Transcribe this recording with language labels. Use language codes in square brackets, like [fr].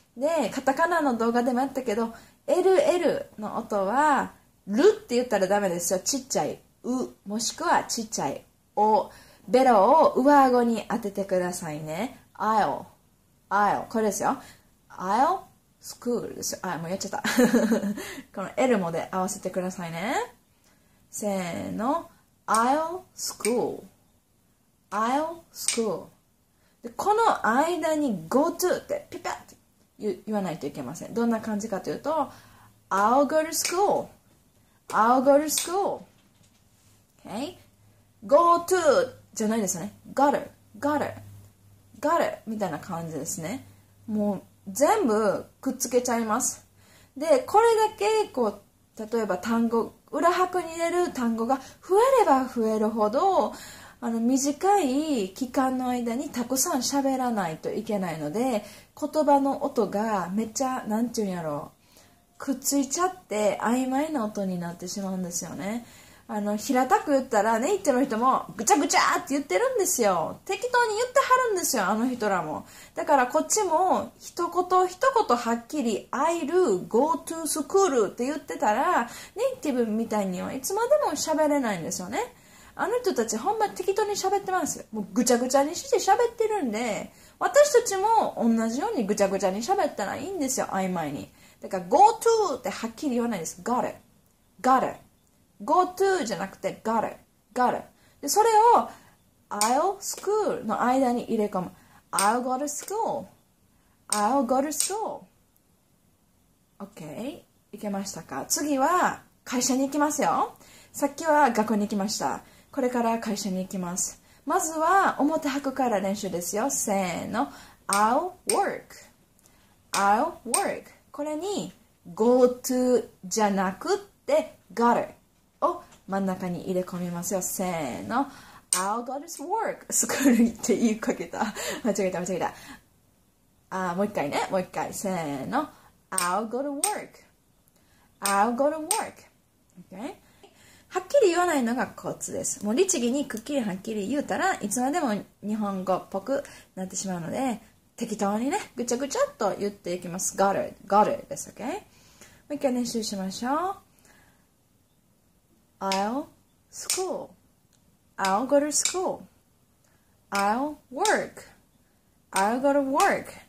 [ja] で、カタカナの動画でもあったけど、LL の音はルって言ったらダメですよ。ちっちゃいう、もしくはちっちゃいお。ベロを上あごに当ててくださいね。 [en] I'll、I'll、 [ja] これですよ。 [en] I'll school [ja] ですよ。あ、もうやっちゃった。この L もで合わせてくださいね。 [en] せーの、I'll school、I'll school。 [ja] で、この間に go to ってピピッと言わないといけません。どんな感じかというと、 [en] I'll go to school、I'll go to school。 [ja] Okay、go to。 じゃないですね。 [en] Got it, got it, got it みたいな感じですね。 [ja] もう全部くっつけちゃいます。で、これだけこう例えば単語裏拍に入れる単語が増えれば増えるほど、あの短い期間の間にたくさん喋らないといけないので、言葉の音がめっちゃなんていうんやろう、くっついちゃって曖昧な音になってしまうんですよね。あの平たく言ったらネイティブの人もぐちゃぐちゃって言ってるんですよ。適当に言ってはるんですよ、あの人らも。だからこっちも一言一言はっきり [en] I'll go to school [ja] って言ってたらネイティブみたいにはいつまでも喋れないんですよね。あの人たちほんま適当に喋ってます。もうぐちゃぐちゃにして喋ってるんで、私たちも同じようにぐちゃぐちゃに喋ったらいいんですよ、曖昧に。だから go to ってはっきり言わないです。 [en] got it, got itGo to じゃなくて got it, got it。 [ja] でそれを I'll school の間に入れ込む。 [en] I'll go to school, I'll go to school。 [ja] OK、 いけましたか。次は会社に行きますよ。さっきは学校に行きました。これから会社に行きます。まずは表拍から練習ですよ。 [en] せーの、 I'll work, I'll work。 [ja] これに go to じゃなくって got it を真ん中に入れ込みますよ。せーの、 [en] I'll go to work、 [ja] スクールって言いかけた、間違えた間違えた。あ、もう一回ね、もう一回。 [en] せーの、 I'll go to work、 I'll go to work、 okay? [ja] はっきり言わないのがコツです。もう律儀にくっきりはっきり言うたらいつまでも日本語っぽくなってしまうので、適当にね、ぐちゃぐちゃっと言っていきます。 [en] got it, got it です、okay? [ja] もう一回練習しましょう。 [en] I'll school, I'll go to school, I'll work, I'll go to work.